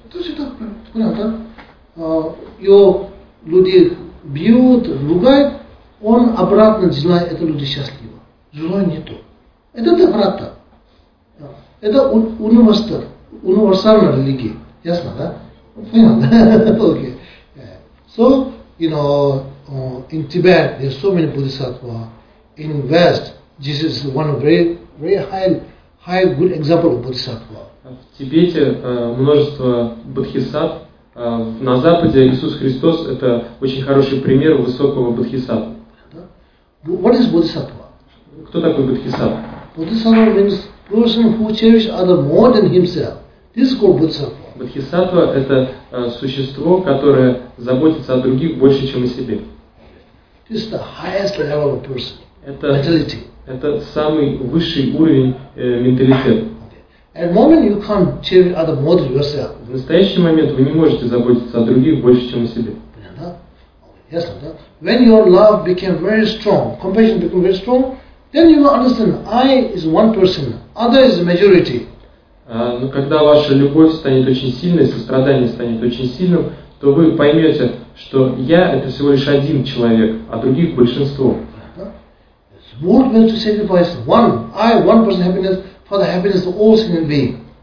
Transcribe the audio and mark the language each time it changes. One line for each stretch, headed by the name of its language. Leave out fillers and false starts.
Russian: То есть так, понятно, да? Его люди бьют, ругают, он обратно делает, это люди счастливы. Злой нету. Это доброта. Это университет. универсальной религии. Ясно, да? Понятно. Окей.
English: So, you know, in Tibet, there are so many bodhisattvas. In West, Jesus is one very, very high good example of bodhisattva.
Russian: В Тибете множество бодхисатв. На Западе Иисус Христос – это очень хороший пример высокого бодхисаттвы.
English: What is bodhisattva?
Russian: Кто такой бодхисаттва?
English: Bodhisattva means person who cherishes other more than himself. This is called bodhisattva.
Russian: Бодхисаттва – это существо, которое заботится о других больше, чем о себе.
English: This is the highest level of person.
Russian: Это, mentality. Это самый высший уровень менталитета.
English: At the moment you can't cherish other more than yourself.
Russian: В настоящий момент вы не можете заботиться о других больше, чем о себе. Ясно, да?
English: When your love became very strong, compassion became very strong, then you will understand I is one person, other is majority.
Russian: Но когда ваша любовь станет очень сильной, сострадание станет очень сильным, то вы поймете, что я это всего лишь один человек, а других большинство.
English: What will to sacrifice one, I, one person happiness for the happiness of all human beings?